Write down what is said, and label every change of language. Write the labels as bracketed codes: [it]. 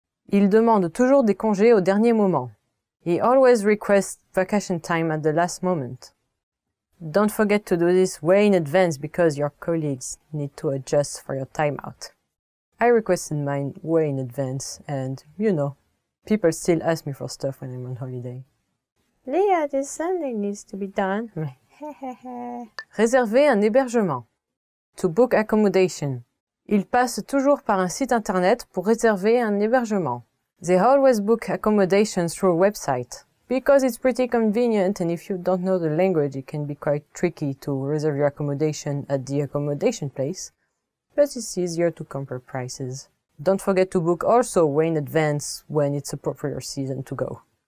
[fr] Il demande toujours des congés au dernier moment. [en] He always requests vacation time at the last moment. Don't forget to do this way in advance because your colleagues need to adjust for your time out. I requested mine way in advance and, you know, people still ask me for stuff when I'm on holiday. Leah, this Sunday needs to be done. [fr] Réserver un hébergement. [en] To book accommodation. [fr] Ils passent toujours par un site internet pour réserver un hébergement. [en] They always book accommodation through a website. Because it's pretty convenient and if you don't know the language, it can be quite tricky to reserve your accommodation at the accommodation place. But it's easier to compare prices. Don't forget to book also way in advance when it's appropriate season to go.